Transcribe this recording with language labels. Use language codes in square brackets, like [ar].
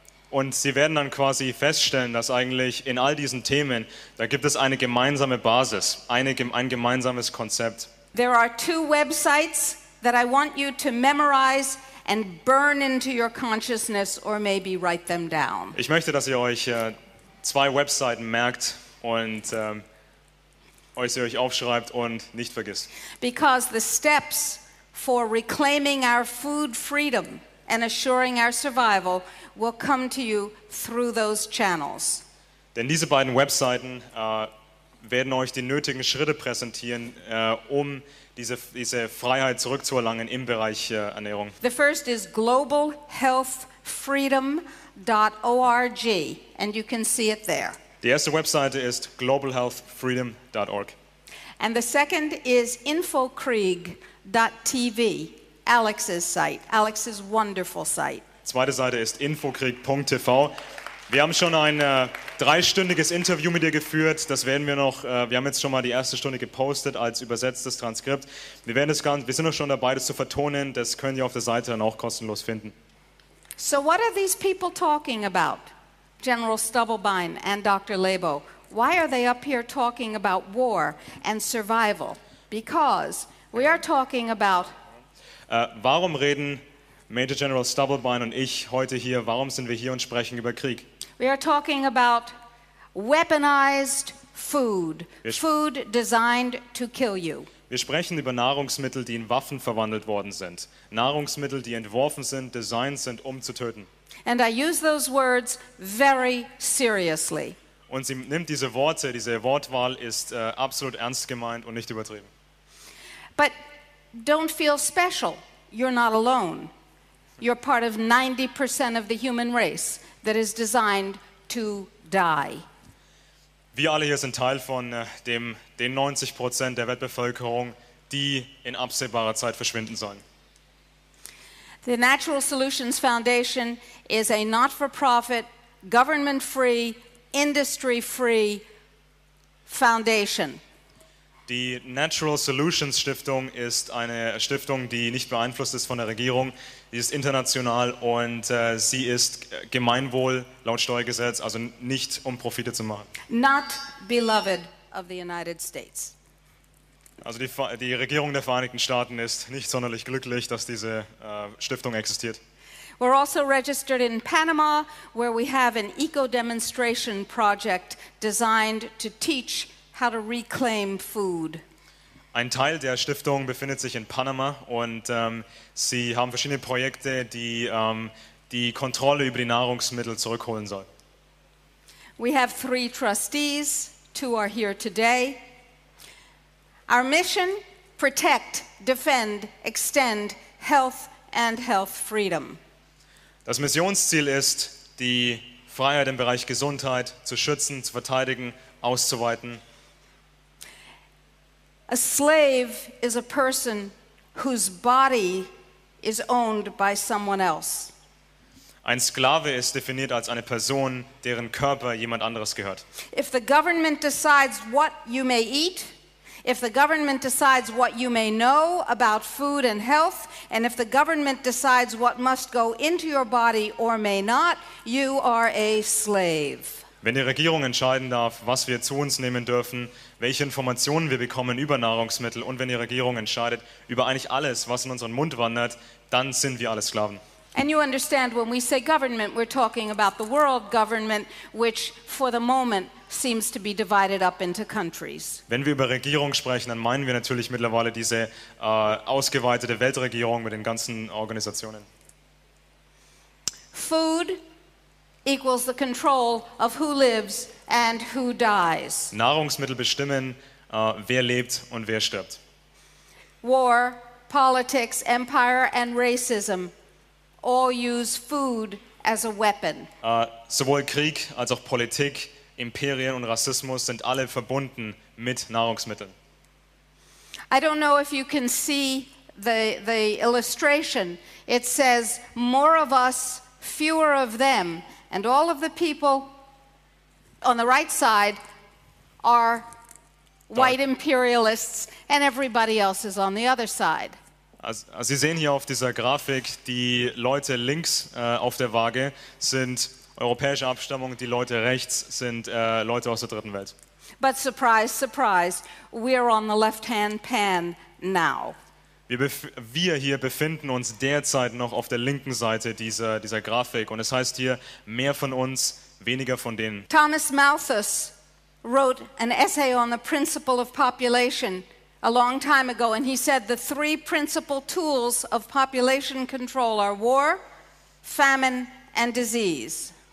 [de] Und Sie werden dann quasi feststellen, dass eigentlich in all diesen Themen, da gibt es eine gemeinsame Basis, ein gemeinsames Konzept. [en] There are two websites that I want you to memorize and burn into your consciousness or maybe write them down. [de] Ich möchte, dass ihr euch zwei Webseiten merkt und euch aufschreibt und nicht vergisst. [en] Because the steps for reclaiming our food freedom and assuring our survival will come to you through those channels. [de] Denn diese beiden Webseiten werden euch die nötigen Schritte präsentieren, um diese Freiheit zurückzuerlangen im Bereich Ernährung. [en] The first is globalhealthfreedom.org, and you can see it there. [de] Die erste Webseite ist globalhealthfreedom.org. [en] And the second is infokrieg.tv, Alex's site, Alex's wonderful site. [de] Zweite Seite ist infokrieg.tv. Wir haben schon ein dreistündiges Interview mit dir geführt. Das werden wir noch. Wir haben jetzt schon mal die erste Stunde gepostet als übersetztes Transkript. Wir sind noch schon dabei, das zu vertonen. Das können wir auf der Seite dann auch kostenlos finden. [en] So, what are these people talking about? General Stubblebine and Dr. Labo. Why are they up here talking about war and survival? Because we are talking about. [de] Warum reden Major General Stubblebine und ich heute hier, warum sind wir hier und sprechen über Krieg? [en] We are talking about weaponized food, food designed to kill you. [de] Wir sprechen über Nahrungsmittel, die in Waffen verwandelt worden sind. Nahrungsmittel, die entworfen sind, designed sind, um zu töten. [en] And I use those words very seriously. [de] Und sie nimmt diese Worte, diese Wortwahl ist absolut ernst gemeint und nicht übertrieben. [en] But don't feel special. You're not alone. You're part of 90% of the human race that is designed to die. [de] Wir alle hier sind Teil von den 90% der Weltbevölkerung, die in absehbarer Zeit verschwinden sollen. [en] The Natural Solutions Foundation is a not-for-profit, government-free, industry-free foundation. [de] Die Natural Solutions Stiftung ist eine Stiftung, die nicht beeinflusst ist von der Regierung. Sie ist international und sie ist Gemeinwohl laut Steuergesetz, also nicht um Profite zu machen. [en] Not beloved of the United States. [de] Also die Regierung der Vereinigten Staaten ist nicht sonderlich glücklich, dass diese Stiftung existiert. [en] We're also registered in Panama, where we have an eco-demonstration project designed to teach how to reclaim food. [de] Ein Teil der Stiftung befindet sich in Panama und sie haben verschiedene Projekte, die die Kontrolle über die Nahrungsmittel zurückholen sollen. [en] We have three trustees. Two are here today. Our mission: protect, defend, extend health and health freedom. [de] Das Missionsziel ist, die Freiheit im Bereich Gesundheit zu schützen, zu verteidigen, auszuweiten. [en] A slave is a person whose body is owned by someone else. [de] Ein Sklave ist definiert als eine Person, deren Körper jemand anderes gehört. [en] If the government decides what you may eat, if the government decides what you may know about food and health, and if the government decides what must go into your body or may not, you are a slave. [de] Wenn die Regierung entscheiden darf, was wir zu uns nehmen dürfen, welche Informationen wir bekommen über Nahrungsmittel und wenn die Regierung entscheidet über eigentlich alles, was in unseren Mund wandert, dann sind wir alle Sklaven. [en] And you understand when we say government, we're talking about the world government, which for the moment seems to be divided up into countries. [de] Wenn wir über Regierung sprechen, dann meinen wir natürlich mittlerweile diese ausgeweitete Weltregierung mit den ganzen Organisationen. [en] Food equals the control of who lives and who dies. [de] Nahrungsmittel bestimmen wer lebt und wer stirbt. [en] War, politics, empire and racism all use food as a weapon. [de] Sowohl Krieg als auch Politik, Imperien und Rassismus sind alle verbunden mit Nahrungsmitteln. [en] I don't know if you can see the illustration. It says more of us, fewer of them, and all of the people on the right side are white imperialists and everybody else is on the other side. [de] Also Sie sehen hier auf dieser Grafik, die Leute links auf der Waage sind europäische Abstammung, die Leute rechts sind Leute aus der dritten Welt. [en] But surprise, surprise, we're on the left-hand pan now. [de] Wir hier befinden uns derzeit noch auf der linken Seite dieser Grafik und es heißt hier, mehr von uns, weniger von denen. [en] Thomas Malthus wrote an essay on the principle of population a long time ago and he said the three principal tools of population control are war, famine and disease.